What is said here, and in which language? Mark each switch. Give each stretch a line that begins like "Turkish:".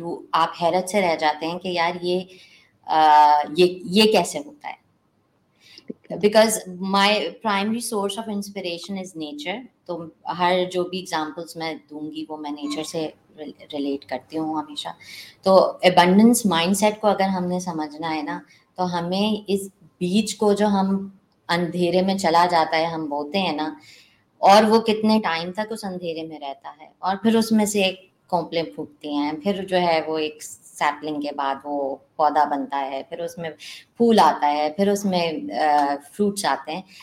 Hindi: You आप हैरत से रह जाते हैं कि यार ये कैसे होता है.
English: Because my primary source of inspiration is nature.
Hindi: तो हर जो भी examples मैं दूंगी वो मैं nature से relate करती हूँ हमेशा. तो abundance mindset को अगर हमने समझना है ना, तो हमें इस बीच को जो हम अंधेरे में चला जाता है हम बोते हैं ना, और वो कितने टाइम तक उस अंधेरे में रहता है, और फिर उसमें से एक कोंपलें फूटती हैं, फिर जो है वो एक सैपलिंग के बाद वो पौधा बनता है, फिर उसमें फूल आता है, फिर उसमें फ्रूट्स आते हैं.